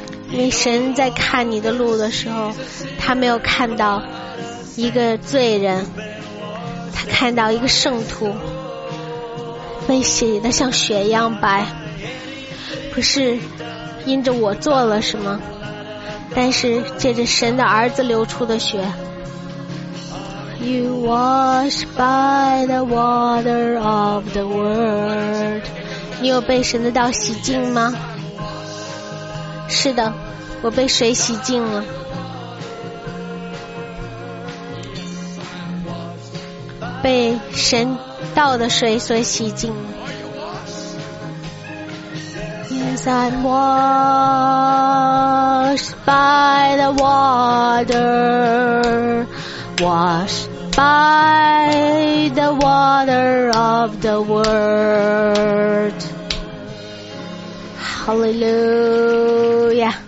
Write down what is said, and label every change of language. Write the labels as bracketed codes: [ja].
[zh] 因为神在看你的路的时候，他没有看到一个罪人，他看到一个圣徒，被洗得像雪一样白，不是因着我做了什么，但是借着神的儿子流出的血。 [en] You wash by the water of the word. [zh] 你有被神的道洗净吗？是的，我被水洗净了，被神道的水所洗净了。 [en] Yes, I'm washed by the water, washed by the water of the word. Hallelujah.